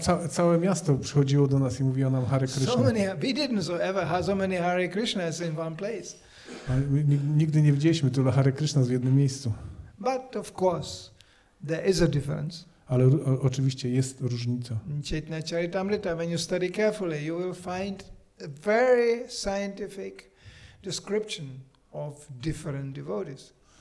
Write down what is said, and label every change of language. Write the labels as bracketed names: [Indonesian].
[Polish] Całe miasto przychodziło do nas i mówiło nam Hare Krishna. [English] So many, we didn't so ever have so many Hare Krishnas in one place. [Polish] Nigdy nie widzieliśmy tyle Hare Krishnas w jednym miejscu. [English] But of course, there is a difference. [Polish] Ale oczywiście jest różnica. [English] Chaitanya Charitamrita, when you study carefully, you will find a very scientific description of different devotees.